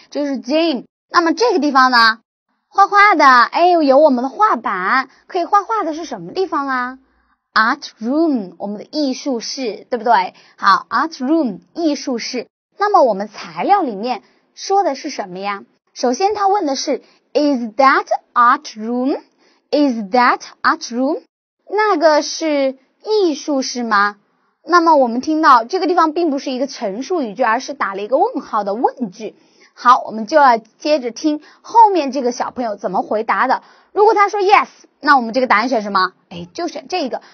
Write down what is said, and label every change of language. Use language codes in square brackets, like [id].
[zh] 就是 gym。那么这个地方呢，画画的，哎，有我们的画板，可以画画的是什么地方啊？ art room， 我们的艺术室，对不对？好， art room， 艺术室。那么我们材料里面说的是什么呀？首先他问的是 [en] Is that art room? Is that art room? [zh] 那个是艺术室吗？那么我们听到这个地方并不是一个陈述语句，而是打了一个问号的问句。好，我们就要接着听后面这个小朋友怎么回答的。如果他说 yes, 那我们这个答案选什么？哎，就选这个。